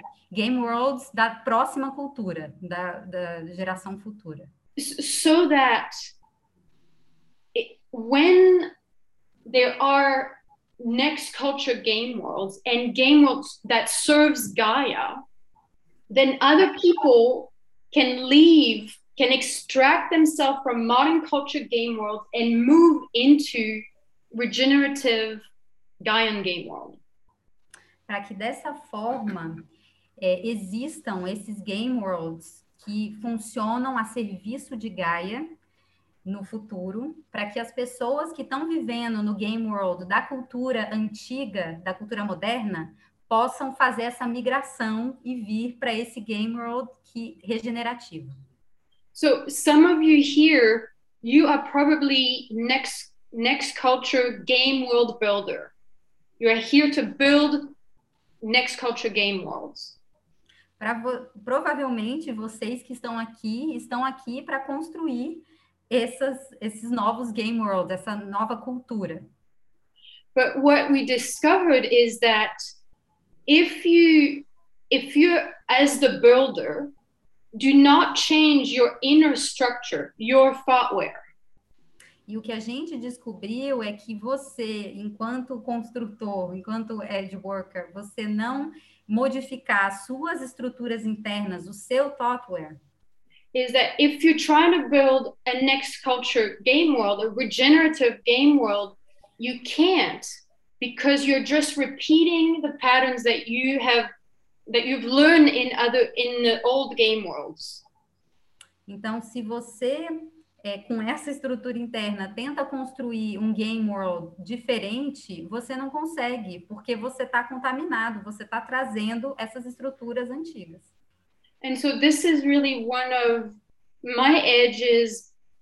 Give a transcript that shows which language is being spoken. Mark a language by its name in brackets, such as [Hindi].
[Portuguese] Game worlds da próxima cultura, da geração futura. [English] So that when there are next culture game worlds and game worlds that serves Gaia, then other people can leave, can extract themselves from modern culture game worlds and move into regenerative Gaian game world. [Portuguese] Para que dessa forma existam esses game worlds que funcionam a serviço de Gaia no futuro, para que as pessoas que estão vivendo no game world da cultura antiga, da cultura moderna, possam fazer essa migração e vir para esse game world que regenerativo. [English] So, some of you here, you are probably next culture game world builder. You are here to build next culture game worlds. [Portuguese] Provavelmente, vocês que estão aqui para construir esses novos game worlds, essa nova cultura. [English] But what we discovered is that if you as the builder do not change your inner structure, your thoughtware. [Portuguese] E o que a gente descobriu é que você, enquanto construtor, enquanto edge worker, você não modificar as suas estruturas internas, o seu thoughtware. [English] Is that if you're trying to build a next culture game world, a regenerative game world, you can't, because you're just repeating the patterns that you've learned in the old game worlds. [Portuguese] Então, se você com essa estrutura interna tenta construir um game world diferente, você não consegue, porque você está contaminado, você está trazendo essas estruturas antigas. [English] And so this is really one of my edges.